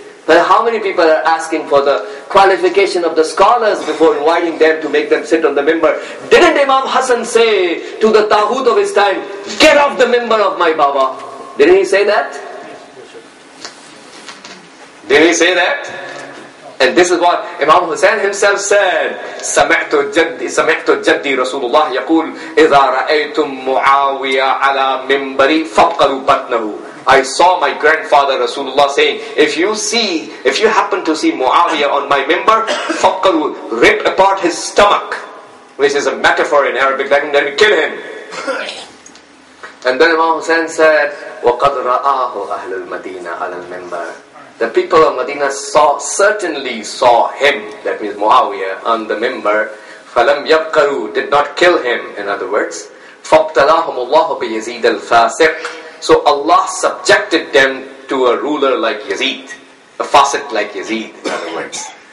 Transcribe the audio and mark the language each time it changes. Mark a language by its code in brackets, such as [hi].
[en] But how many people are asking for the qualification of the scholars before inviting them to make them sit on the minbar? Didn't Imam Hassan say to the Tahut of his time, get off the minbar of my Baba? Didn't he say that? Did he say that? And this is what Imam Hussein himself said. [ar] سمعت جدي رسول الله يقول إذا رأيتم معاوية على منبري فقلوا بطنه. [en] I saw my grandfather Rasulullah saying, if you happen to see Muawiyah on my minbar, [ar] فقلوا, [en] rip apart his stomach. Which is a metaphor in Arabic, let me kill him. And then Imam Hussein said, [ar] وَقَدْ رَآهُ أَهْلُ الْمَدِينَةِ عَلَى الْمِنْبَرِ. [en] The people of Medina certainly saw him, that means Muawiyah, on the minbar. [ar] فَلَمْ يَبْقَرُوا, [en] did not kill him, in other words. [ar] فَابْتَلَاهُمُ اللَّهُ بِيَزِيدَ الْفَاسِقِ. [en] So Allah subjected them to a ruler like Yazid, a facet like Yazid, in other words.